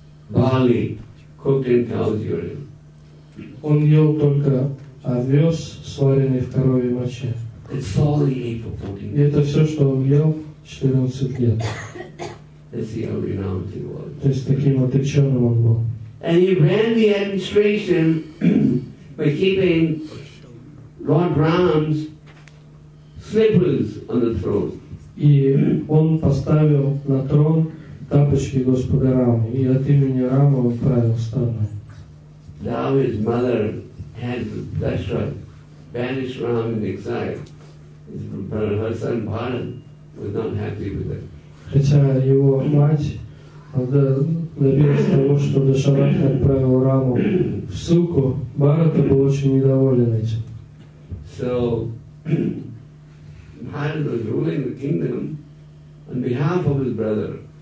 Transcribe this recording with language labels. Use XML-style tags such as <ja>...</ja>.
<en>Barley cooked in cow's urine.</en> <ru>Он ел только овес, сваренный в коровьей моче.</ru> <en>That's all he ate for 14 years.</en> <ru>И это все, что он ел 14 лет.</ru> <en>That's how renowned he was.</en> <ru>То есть таким отреченным он был.</ru> <en>And he ran the administration by keeping Lord Ram's slippers on the throne.</en> <ru>И он поставил на трон тапочки Господа Рамы, и от имени Рамы он правил страной.</ru> <en>Now his mother had Dashrath banished Ram in exile. His brother, her son Bharat, was not happy with it.</en> <ru>Хотя его мать добился того, что Дашарат отправил Раму в ссылку, Бхарата был очень недоволен этим.</ru> <en>So, Bharat was ruling the kingdom on behalf of his brother.</en>